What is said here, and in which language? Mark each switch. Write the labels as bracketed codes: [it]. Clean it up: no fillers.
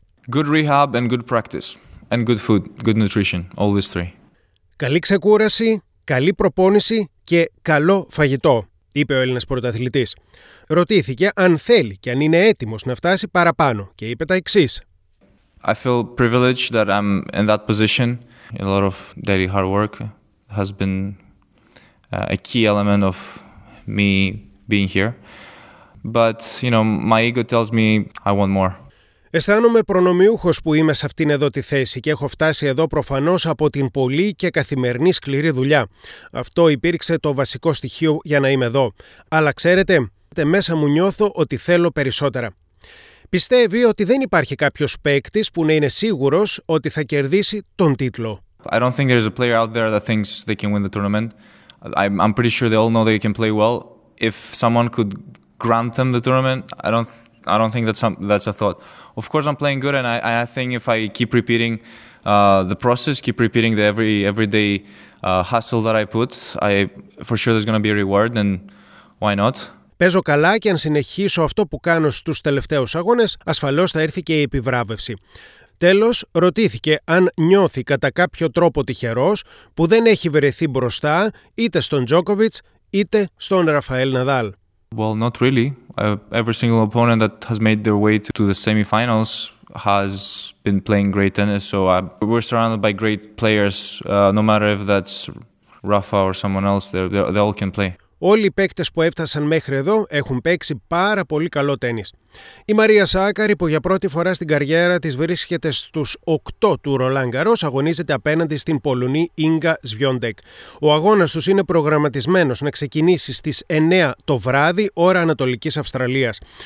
[en] Good rehab and good practice. And good food, good nutrition. All these 3. [el] Καλή ξεκούραση, καλή προπόνηση και καλό φαγητό, είπε ο Έλληνας πρωταθλητής. Ρωτήθηκε αν θέλει και αν είναι έτοιμος να φτάσει παραπάνω και είπε τα εξής. [en] I feel privileged that I'm in that position. A lot of daily hard work has been a key element of me being here. But, you know, my ego tells me I want more. [el] Αισθάνομαι προνομιούχος που είμαι σε αυτήν εδώ τη θέση και έχω φτάσει εδώ προφανώς από την πολύ και καθημερινή σκληρή δουλειά. Αυτό υπήρξε το βασικό στοιχείο για να είμαι εδώ. Αλλά ξέρετε, μέσα μου νιώθω ότι θέλω περισσότερα. Πιστεύει ότι δεν υπάρχει κάποιος παίκτης που να είναι σίγουρος ότι θα κερδίσει τον τίτλο. [en] I don't think there's a player out there that thinks they can win the tournament. I'm pretty sure they all know they can play well. If someone could grant them the tournament, I don't think that's a thought. Of course, I'm playing good, and I think if I keep repeating the process, keep repeating the everyday hustle that I put, I for sure there's going to be a reward, and why not? [el] Παίζω καλά και αν συνεχίσω αυτό που κάνω στους τελευταίους αγώνες, ασφαλώς θα έρθει και η επιβράβευση. Τέλος, ρωτήθηκε αν νιώθει κατά κάποιο τρόπο τυχερός που δεν έχει βρεθεί μπροστά είτε στον Τζόκοβιτς είτε στον Ραφαέλ Ναδάλ. [en] Well, not really. Every single opponent that has made their way to the semifinals has been playing great tennis. So we're surrounded by great players, no matter if that's Rafa or someone else. They all can play. [el] Όλοι οι παίκτες που έφτασαν μέχρι εδώ έχουν παίξει πάρα πολύ καλό τένις. Η Μαρία Σάκαρη, που για πρώτη φορά στην καριέρα της βρίσκεται στους 8 του Ρολάν Γκαρός, αγωνίζεται απέναντι στην Πολωνή Ίγκα Σβιόντεκ. Ο αγώνας τους είναι προγραμματισμένος να ξεκινήσει στις 9 το βράδυ, ώρα Ανατολικής Αυστραλίας.